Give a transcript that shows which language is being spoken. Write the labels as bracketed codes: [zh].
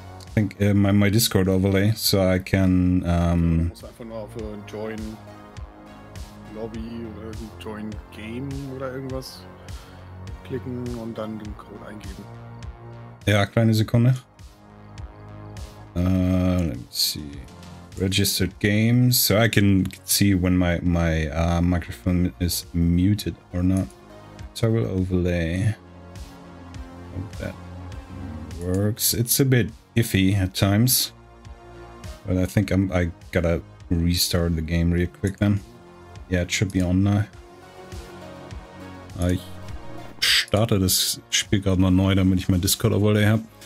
[en] I think my Discord overlay, so I can. [de] Ich muss einfach nur auf Join Lobby oder Join Game oder irgendwas klicken und dann den Code eingeben. Ja, kleine Sekunde. [en] Let me see. Registered game, so I can see when my microphone is muted or not. Toggle overlay. Hope that works. It's a bit iffy at times. But I think I gotta restart the game real quick then. Yeah, it should be on now. [de] I starte das Spiel gerade mal neu, damit ich mein Discord overlay habe.